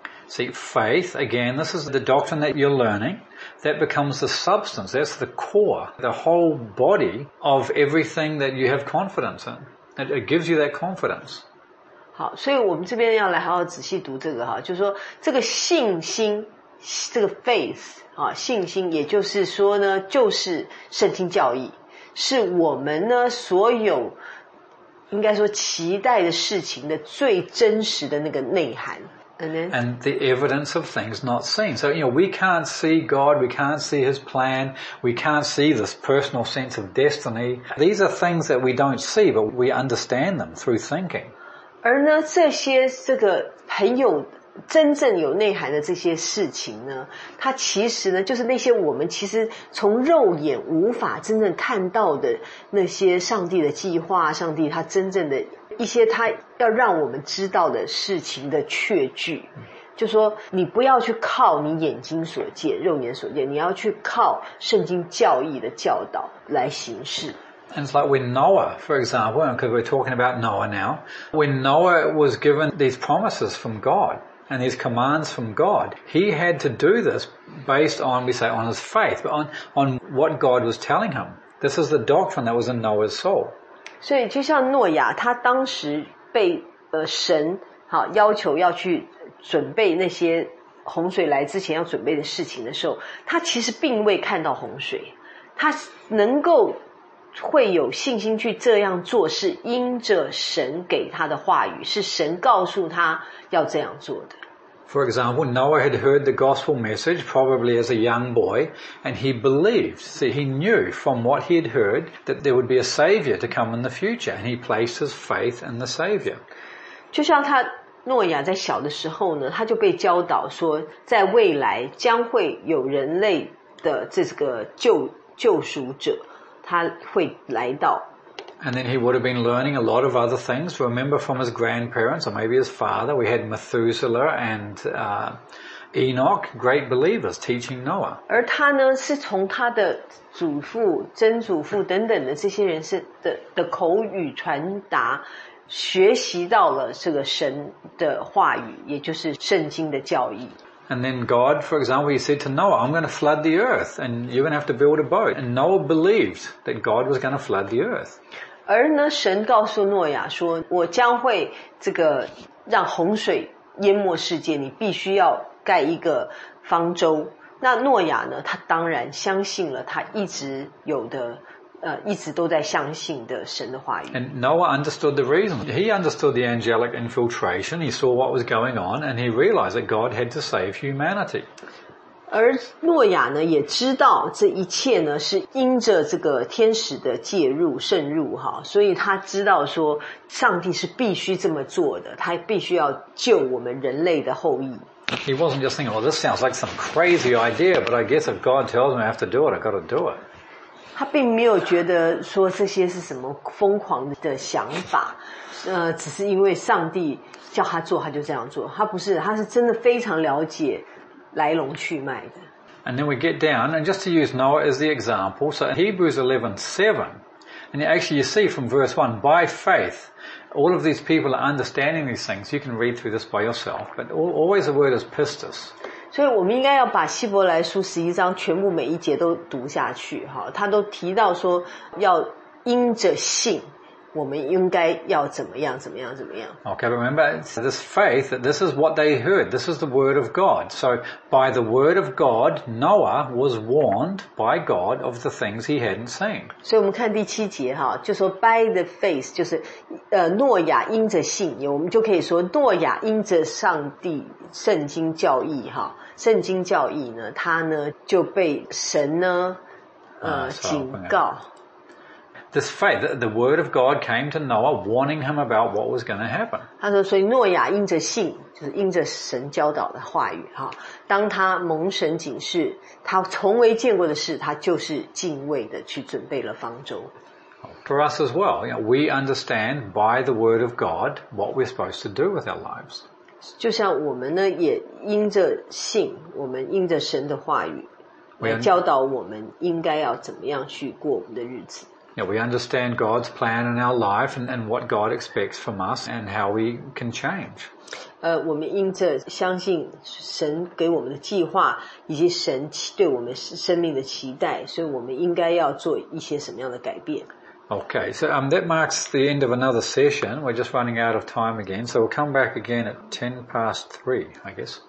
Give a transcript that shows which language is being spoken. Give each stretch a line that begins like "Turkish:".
English: See, faith, again, this is the doctrine that you're learning. That becomes the substance, that's the core, the whole body of everything that you have confidence in. It gives you that confidence.
Chinese: 好，所以我们这边要来好好仔细读这个，就是说这个信心，这个 faith, 信心也就是说呢，就是圣经教义，是我们呢所有应该说期待的事情的最真实的那个内涵。
English: And the evidence of things not seen. So, you know, we can't see God, we can't see His plan, we can't see this personal sense of destiny. These are things that we don't see, but we understand them through thinking.
Chinese: 而呢，这些这个很有真正有内涵的这些事情呢，它其实呢，就是那些我们其实从肉眼无法真正看到的那些上帝的计划，上帝他真正的一些他要让我们知道的事情的确据，就说你不要去靠你眼睛所见、肉眼所见，你要去靠圣经教义的教导来行事。
English: And it's like when Noah, for example, because we're talking about Noah now, when Noah was given these promises from God and these commands from God, he had to do this based on, we say, on his faith, but on what God was telling him. This is the doctrine that was in Noah's soul.
Chinese: 所以就像诺亚他当时被神要求要去准备那些洪水来之前要准备的事情的时候，他其实并未看到洪水，他能够会有信心去这样做是因着神给他的话语，是神告诉他要这样做的。
English: For example, Noah had heard the gospel message probably as a young boy, and he believed, see, he knew from what he had heard that there would be a savior to come in the future, and he placed his faith in the savior.
Chinese: 就像他诺亚在小的时候呢，他就被教导说，在未来将会有人类的这个救救赎者，他会来到。
English: And then he would have been learning a lot of other things. Remember from his grandparents or maybe his father, we had Methuselah and Enoch, great believers, teaching Noah.
Chinese: 而他呢，是从他的祖父、曾祖父等等的这些人是 的口语传达，学习到了这个神的话语，也就是圣经的教义。
English: And then God, for example, he said to Noah, I'm going to flood the earth and you're going to have to build a boat. And Noah believed that God was going to flood the earth.
Chinese: 而呢神告诉诺亚说我将会这个让洪水淹没世界你必须要盖一个方舟。那诺亚呢他当然相信了他一直有的一直都在相信的神的话语。
English: And Noah understood the reason. He understood the angelic infiltration. He saw what was going on, and he realized that God had to save humanity.
Chinese: 而诺亚呢，也知道这一切呢，是因着这个天使的介入、渗入哈，所以他知道说，上帝是必须这么做的，他必须要救我们人类的后裔。
English: He wasn't just thinking, "Well, this sounds like some crazy idea," but I guess if God tells me I have to do it, I've got to do it.
Chinese: 他并没有觉得说这些是什么疯狂的想法，只是因为上帝叫他做，他就这样做。他不是，他是真的非常了解来龙去脉的。
English: And then we get down, and just to use Noah as the example, so Hebrews 11:7, and actually you see from verse 1, by faith, all of these people are understanding these things. You can read through this by yourself, but always the word is pistis.
Chinese: 所以我们应该要把希伯来书十一章全部每一节都读下去，他都提到说要因着信，我们应该要怎么样，怎么样，怎么样。
English: Okay, remember this faith, this is what they heard, this is the word of God. So by the word of God, Noah was warned by God of the things he hadn't seen.
Chinese: 所以我们看第七节，就说
English: by the faith,
Chinese: 就是诺亚因着信，我们就可以说诺亚因着上帝圣经教义，圣经教义呢，他呢就被神呢警告。
English: This faith, the word of God came to Noah, warning him about what was going to happen.
Chinese: 他说，所以诺亚因着信，就是因着神教导的话语，当他蒙神警示，他从未见过的事，他就是敬畏的去准备了方舟。
English: For us as well, you know, we understand by the word of God what we're supposed to do with our lives.
Chinese: 就像我们呢，也因着信，我们因着神的话语，教导我们应该要怎么样去过我们的日子。
English: Yeah, we understand God's plan in our life and what God expects from us and how we can change.
Chinese: 我们因着相信神给我们的计划以及神对我们生命的期待，所以我们应该要做一些什么样的改变。
English: Okay, so that marks the end of another session. We're just running out of time again, so we'll come back again at 3:10, I guess.